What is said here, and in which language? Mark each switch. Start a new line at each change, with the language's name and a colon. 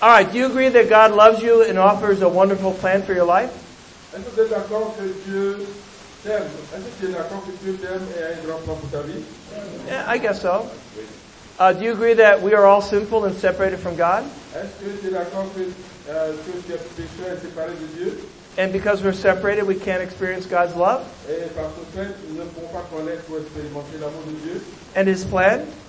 English: All right, do you agree that God loves you and offers a wonderful plan for your life?
French: Est-ce que tu es d'accord que Dieu t'aime? Est-ce que tu es d'accord que Dieu t'aime et a un grand plan pour ta vie?
English: Yeah, I guess so. Do you agree that we are all sinful and separated from God?
French: Est-ce que tu es d'accord que tout ce qui est péché est séparé de Dieu?
English: And because we're separated, we can't experience God's love. And His plan.